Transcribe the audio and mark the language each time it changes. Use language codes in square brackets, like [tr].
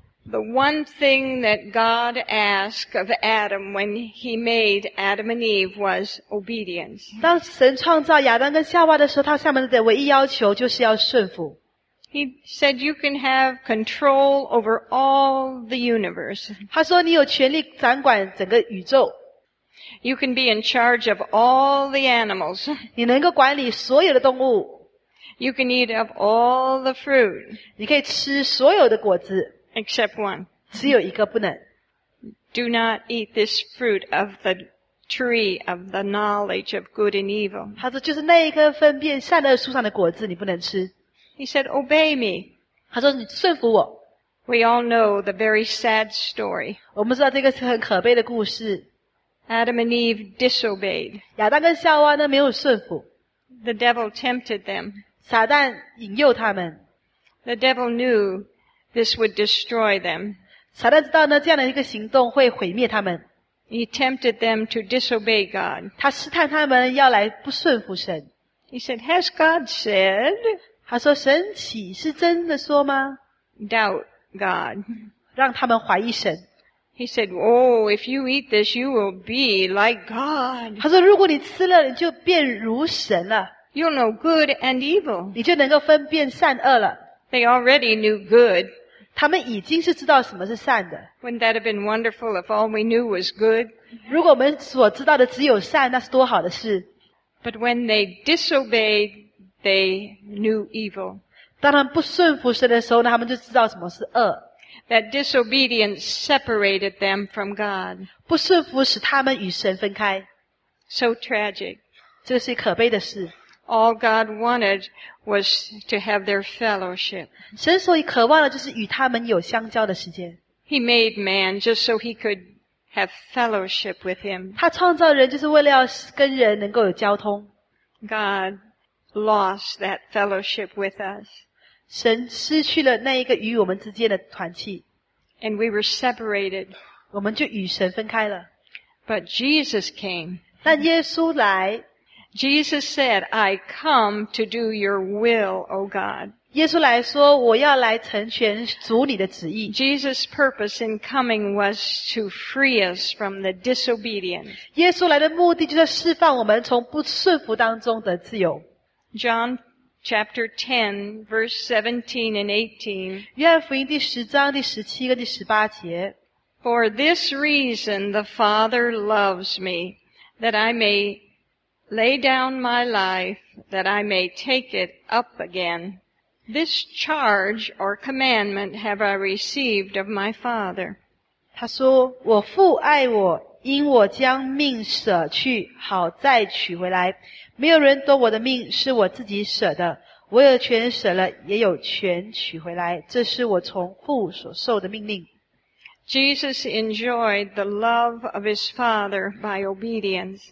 [en] The one thing that God asked of Adam when he made Adam and Eve was obedience. [zh] 当神创造亚当跟夏娃的时候，他下面的唯一要求就是要顺服。 [en] He said you can have control over all the universe. [zh] 他说你有权力掌管整个宇宙。 [en] You can be in charge of all the animals. [zh] 你能够管理所有的动物。 [en] You can eat of all the fruit. [zh] 你可以吃所有的果子。 [en] Except one. [zh] 只有一个不能。 [en] Do not eat this fruit of the tree of the knowledge of good and evil. [zh] 他说就是那一棵分辨善恶树上的果子你不能吃。 [en] He said, obey me. [zh] 他说你顺服我。 [en] We all know the very sad story. [zh] 我们知道这个是很可悲的故事。 [en] Adam and Eve disobeyed. [zh] 亚当跟夏娃呢没有顺服。 [en] The devil tempted them. [zh] 撒旦引诱他们。 [en] The devil knew this would destroy them. [zh] 撒旦知道呢这样的一个行动会毁灭他们。 [en] He tempted them to disobey God. [zh] 他试探他们要来不顺服神。 [en] He said, has God said... [zh] 他说神岂是真的说吗 [en] Doubt God. [zh] 让他们怀疑神。 [en] He said, oh, if you eat this, you will be like God. [zh] 他说如果你吃了你就变如神了。 [en] You'll know good and evil. [zh] 你就能够分辨善恶了。 [en] They already knew good. [zh] 他们已经是知道什么是善的。 [en] Wouldn't that have been wonderful if all we knew was good? [zh] 如果我们所知道的只有善那是多好的事。 [en] But when they disobeyed,They knew evil. [zh] 当他们不顺服神的时候呢他们就知道什么是恶。 [en] That disobedience separated them from God. [zh] 不顺服使他们与神分开。 [en] So tragic. [zh] 这是可悲的事。 [en] All God wanted was to have their fellowship. [zh] 神所以渴望的就是与他们有相交的时间。 [en] He made man just so he could have fellowship with him. [zh] 他创造人就是为了要跟人能够有交通。 [en] God. Lost that fellowship with us. [zh] 神失去了那一个与我们之间的团契。 [en] And we were separated. [zh] 我们就与神分开了。 [en] But Jesus came. [zh] 但耶稣来。 [en] Jesus said, I come to do your will, O God. [zh] 耶稣来说我要来成全主你的旨意。 [en] Jesus' purpose in coming was to free us from the disobedience. [zh] 耶稣来的目的就是释放我们从不顺服当中的自由。 [en] John chapter 10, verse 17 and 18. [zh] 约翰福音第十章第十七跟第十八节。 [en] For this reason the Father loves me, that I may lay down my life, that I may take it up again. This charge or commandment have I received of my Father. [zh] 他说我父爱我因我将命舍去好再取回来。没有人夺我的命是我自己舍的我有权舍了也有权取回来这是我从父所受的命令。 [en] Jesus enjoyed the love of his Father by obedience.